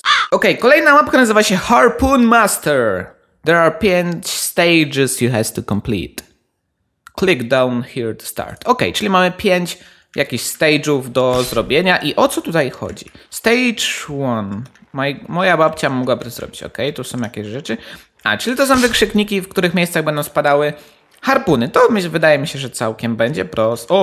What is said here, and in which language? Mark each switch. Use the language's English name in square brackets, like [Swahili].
[Polish] Okej, kolejna mapka nazywa się Harpoon Master. [English] There are 5 stages you have to complete. Click down here to start. [Polish] Okej, czyli mamy 5 jakichś stage'ów do zrobienia i o co tutaj chodzi? Stage 1. Moja babcia mogłaby to zrobić, okej, tu są jakieś rzeczy. A, czyli to są wykrzykniki, w których miejscach będą spadały... Harpuny, to wydaje mi się, że całkiem będzie prosto.